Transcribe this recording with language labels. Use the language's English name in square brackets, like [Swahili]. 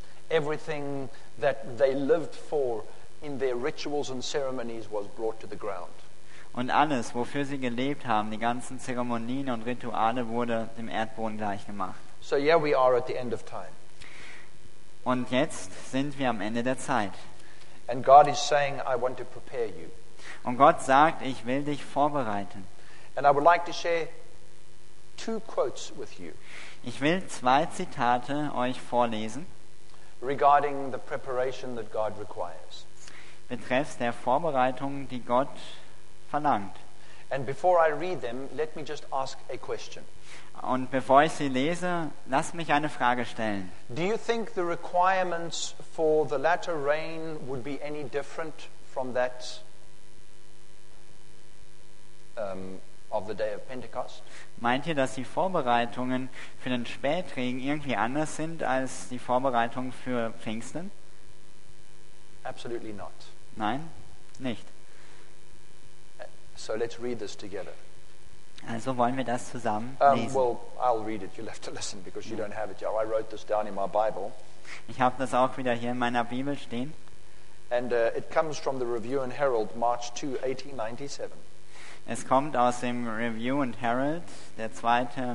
[English] Everything that they lived for, in their rituals and ceremonies was brought to the ground. [German] Und alles, wofür sie gelebt haben, die ganzen Zeremonien und Rituale, wurde dem Erdboden gleichgemacht. [English] So yeah, we are at the end of time. [German] Und jetzt sind wir am Ende der Zeit. [English] And God is saying, I want to prepare you. [German] Und Gott sagt, ich will dich vorbereiten. [English] And I would like to share two quotes with you. [German] Ich will zwei Zitate euch vorlesen. [English] Regarding the preparation that God requires. [German] Betreffs der Vorbereitung, die Gott verlangt. [English] And before I read them, let me just ask a question. [German] Und bevor ich sie lese, lass mich eine Frage stellen. [English] Do you think the requirements for the latter rain would be any different from that of the day of Pentecost? [German] Meint ihr, dass die Vorbereitungen für den Spätregen irgendwie anders sind als die Vorbereitungen für Pfingsten? [English] Absolutely not. [German] Nein, nicht. [English] So let's read this together. [German] Also wollen wir das zusammen lesen. [English] Well, I'll read it. You'll have to listen because you don't have it. I wrote this down in my Bible. [German] Ich habe das auch wieder hier in meiner Bibel stehen. [English] And it comes from the Review and Herald, March 2, 1897. [German] Es kommt aus dem Review and Herald, der 2.